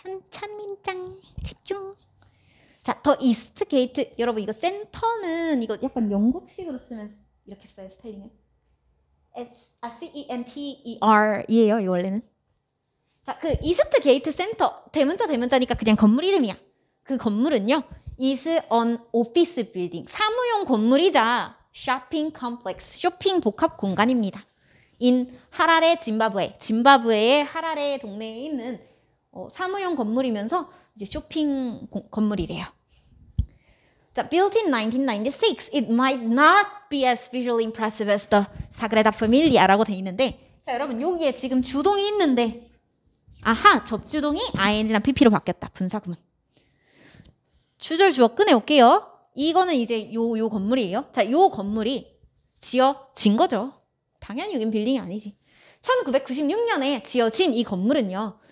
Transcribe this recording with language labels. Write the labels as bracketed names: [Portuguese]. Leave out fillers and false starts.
[Korean] 찬민짱 집중. 자, The East Gate. 여러분 이거 센터는 이거 약간 영국식으로 쓰면 이렇게 써요 스펠링을. C-E-N-T-E-R이에요 이거 원래는. 자, 그 East Gate 센터 대문자 대문자니까 그냥 건물 이름이야. 그 건물은요 [English] is an office building. [Korean] 사무용 건물이자 [English] shopping complex, [Korean] 쇼핑 복합 공간입니다. In 하라레 짐바브웨, 짐바브웨의 하라레 동네에 있는 사무용 건물이면서 이제 쇼핑 건물이래요. [English] 자, built in 1996, it might not be as visually impressive as the Sagrada Familia라고 [Korean] 돼 있는데, 자 여러분 여기에 지금 주동이 있는데 아하, 접주동이 ing랑 pp로 바뀌었다. 분사구문. 주절 주어 꺼내올게요. 이거는 이제 요 건물이에요. 자, 요 건물이 지어진 거죠. 당연히 여긴 빌딩이 아니지. 1996년에 지어진 이 건물은요.